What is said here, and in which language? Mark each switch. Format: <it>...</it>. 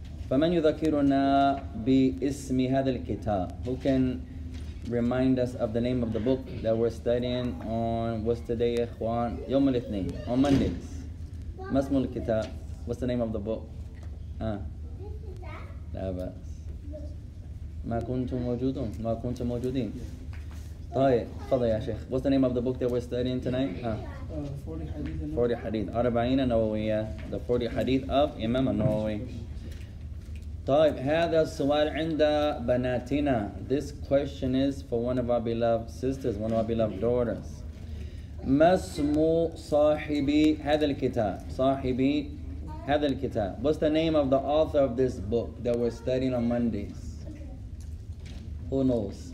<ar>فَمَنْ يُذَكِّرُنَا بِإِسْمِ هَذَا الْكِتَابِ.</ar> <en>Who can remind us of the name of the book that we're studying on, what's today, ikhwan?</en> <ar>يوم الاثنين,</ar> <en>on Mondays.</en> <ar>ما اسم الكتاب?</ar> <en>What's the name of the book?</en> <ar>لا بأس. ما كنتم موجودون, ما كنتم موجودين.</ar> <en>What's the name of the book that we're studying tonight? 40 Hadith. 40 Hadith. Nawawiya. The 40 Hadith of Imam al-Nawawi.</en> <ar>طيب, هذا السؤال عند بناتنا.</ar> <en>This question is for one of our beloved sisters, one of our beloved daughters.</en> <ar>ما اسم صاحب هذا الكتاب? صاحب هذا الكتاب.</ar> <en>What's the name of the author of this book that we're studying on Mondays? Who knows?</en>